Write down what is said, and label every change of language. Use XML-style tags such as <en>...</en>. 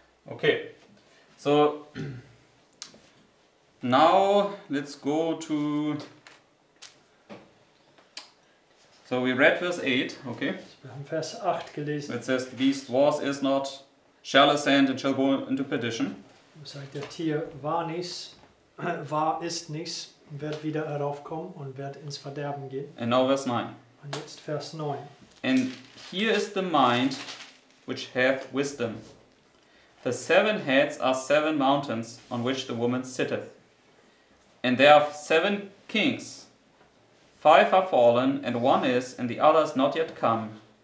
<en>Okay, so now let's go to, so we read verse 8, okay?</en> <de>Wir haben Vers 8 gelesen.</de> <en>It says, the beast was, is not, shall ascend, and shall go into perdition.</en> <de>Es sagt, der Tier war nichts, war, ist nichts, wird wieder heraufkommen und wird ins Verderben gehen.</de> <en>And now verse 9.</en> <de>Und jetzt Vers 9.</de> <en>And here is the mind which hath wisdom. The seven heads are seven mountains on which the woman sitteth. And there are seven kings. Five are fallen, and one is, and the other is not yet come.</en>